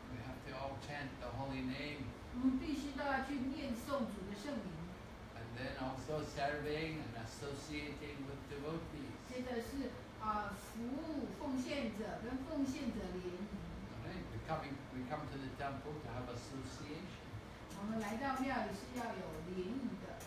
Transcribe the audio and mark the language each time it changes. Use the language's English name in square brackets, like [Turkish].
[English] We have to all chant the holy name. [Chinese] 我们必须都要去念诵主的圣名. [English] And then also serving and associating with devotees. [Chinese] 接着是, 服务奉献者跟奉献者联. [English] We come to the temple to have association. [Chinese] 我们来到庙也是要有联谊的.